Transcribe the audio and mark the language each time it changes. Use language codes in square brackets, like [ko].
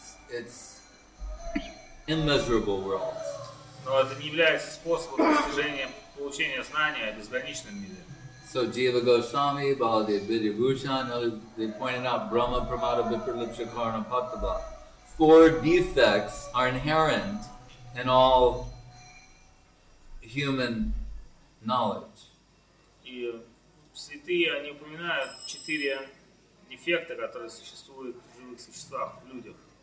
[en] It's immeasurable world. [ru] Но это не является способом достижения получения знания о безграничном мире. [en] So Jiva Goswami, Baladev Vidyabhushan, they pointed out [sa] Brahma Pramada Vipralipsha Karana Pattava. [en] Four defects are inherent in all human knowledge. [ru] И святые они упоминают четыре дефекта, которые существуют в живых существах, в людях.